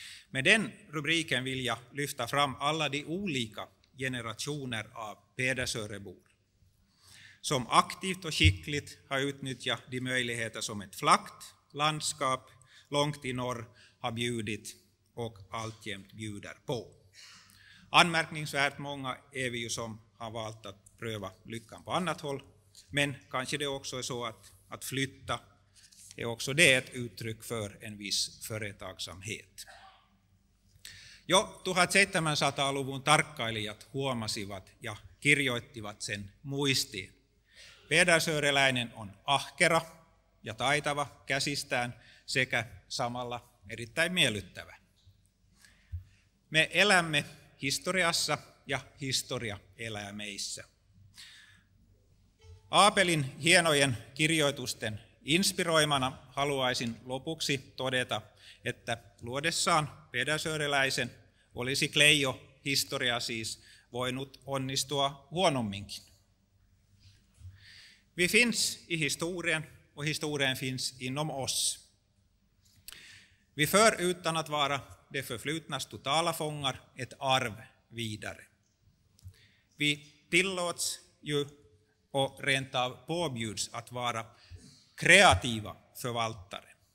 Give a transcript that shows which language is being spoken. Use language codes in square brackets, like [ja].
[sv] Med den rubriken vill jag lyfta fram alla de olika generationer av Pedersörebor som aktivt och skickligt har utnyttjat de möjligheter som ett flakt landskap långt i norr har bjudit och alltjämt bjuder på. Anmärkningsvärt många är vi ju som har valt att pröva lyckan på annat håll, men kanske det också är så att flytta är också det ett uttryck för en viss företagsamhet. [fi] Jo, 1700-luvun tarkkailijat huomasivat ja kirjoittivat sen muistiin. Pedersöreläinen on ahkera ja taitava käsistään sekä samalla erittäin miellyttävä. Me elämme historiassa ja historia elää meissä. Aapelin hienojen kirjoitusten inspiroimana haluaisin lopuksi todeta, että luodessaan pedersöreläisen olisi Kleijo historia siis voinut onnistua huonomminkin. [sv] Vi finns i historien och historien finns inom oss. Vi för utan att vara det förflutnas totala fångar ett arv vidare. Vi tillåts ju och rent av påbjuds att vara kreativa förvaltare.